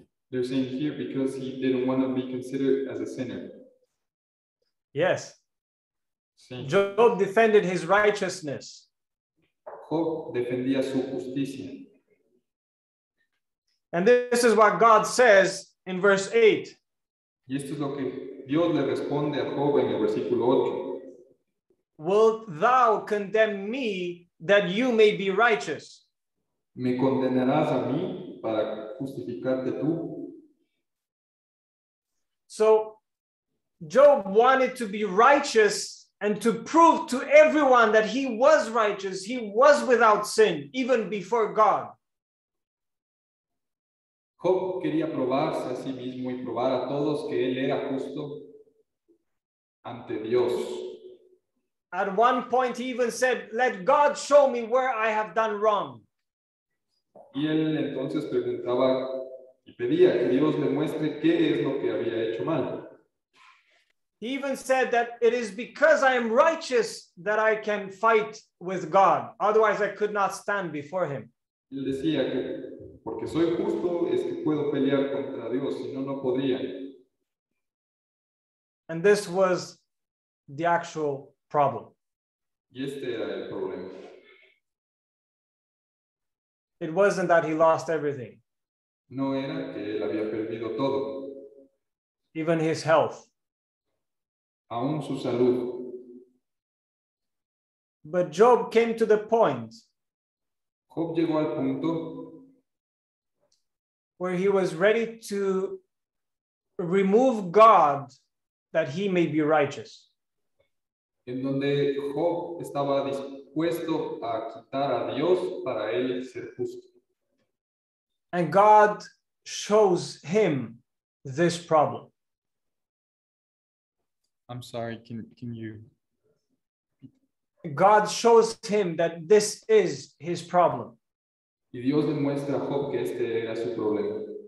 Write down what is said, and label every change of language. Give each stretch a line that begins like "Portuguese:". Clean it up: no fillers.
English: They're saying here because he didn't want to be considered as a sinner. Yes. Job defended his righteousness.
Spanish: Job defendía su justicia.
English: And this is what God says in verse 8.
Spanish: Y esto es lo que Dios le responde a Job en el versículo 8.
English: Wilt thou condemn me that you may be righteous?
Spanish: ¿Me condenarás a mí para justificarte tú?
English: So Job wanted to be righteous and to prove to everyone that he was righteous. He was without sin, even before God.
Spanish: Job quería probarse a sí mismo y probar a todos que él era justo ante Dios.
English: At one point, he even said, "Let God show me where I have done wrong."
Spanish: Y él entonces preguntaba y pedía que Dios le muestre qué es lo que había hecho mal.
English: He even said that it is because I am righteous that I can fight with God. Otherwise, I could not stand before him.
Spanish: Él decía que porque soy justo es que puedo pelear contra Dios, si no, no podría.
English: And this was the actual problem.
Spanish: Y este era el problema.
English: It wasn't that he lost everything.
Spanish: No era que él había perdido todo.
English: Even his health.
Spanish: Aún su salud.
English: But Job came to the point.
Spanish: Job llegó al punto.
English: Where he was ready to remove God that he may be righteous.
Spanish: En donde Job estaba dispuesto a quitar a Dios para él ser justo.
English: And God shows him this problem. I'm sorry, can you? God shows him that this is his problem.
Spanish: Y Dios le muestra a Job que este era su problema.